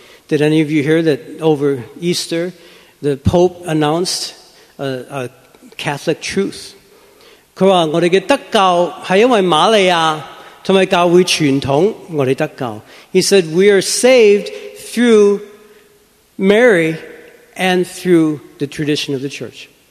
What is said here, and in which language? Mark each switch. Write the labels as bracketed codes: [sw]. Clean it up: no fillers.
[en] Did any of you hear that over Easter, the Pope announced a Catholic truth? [zh] 他说, 我们得救, 是因为玛利亚, 和教会传统, 我们得救. [en] He said, we are saved through Mary and through the tradition of the church.